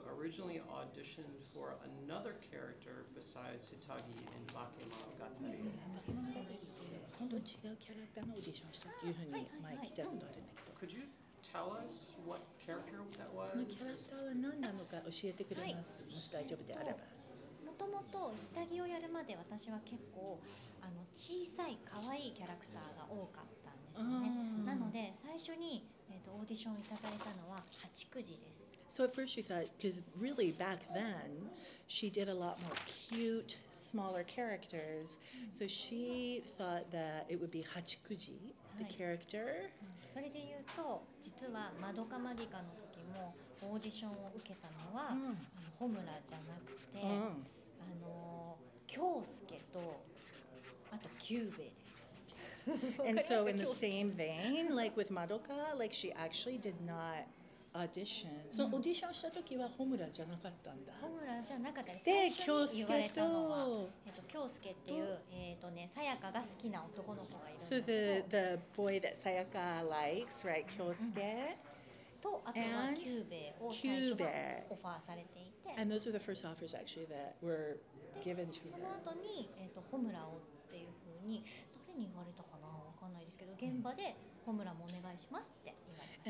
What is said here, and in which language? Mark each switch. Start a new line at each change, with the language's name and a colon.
English: originally auditioned for another character besides Hitagi in Bakemonogatari. Could you tell us what character that was?
Japanese: その character は何なのか教えてくれます。もし大丈夫であれば。もともと日田着をやるまで私は結構あの小さい可愛いキャラクターが多かったんですよね。なので最初に、オーディションをいただいたのは八九時です。
English: So at first you thought, because really back then, she did a lot more cute, smaller characters. So she thought that it would be Hachikuji, the character.
Japanese: それで言うと、実はマドカマギカの時もオーディションを受けたのは、ホムラじゃなくて、キョウスケと、あとキューベイです。
English: And so in the same vein, like with Madoka, like she actually did not... Audition. So,
Japanese: audition したときはホムラじゃなかったんだ。ホムラじゃなかったです。で、キョウスケと、キョウスケっていう、サヤカが好きな男の子がいる。
English: So the boy that Sayaka likes, right? キョウスケ。
Japanese: と、あとはキューベを最初はオファーされていて。
English: And those were the first offers actually that were given to her.
Japanese: その後に、ホムラをっていうふうに、誰に言われたかな、わかんないですけど、現場で、ホムラもお願いしますって言われました。